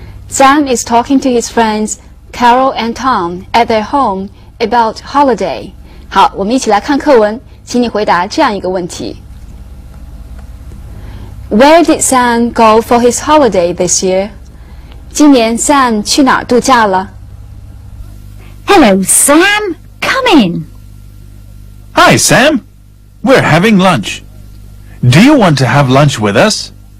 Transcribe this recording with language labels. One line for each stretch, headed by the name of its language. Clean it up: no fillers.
English: Sam is talking to his friends Carol and Tom at their home about holiday。
Chinese: 好，我们一起来看课文，请你回答这样一个问题。
English: Where did Sam go for his holiday this year?
Chinese: 今年 Sam 去哪儿度假了？
English: Hello, Sam. Come in. Hi, Sam. We're having lunch. Do you want to have lunch with us?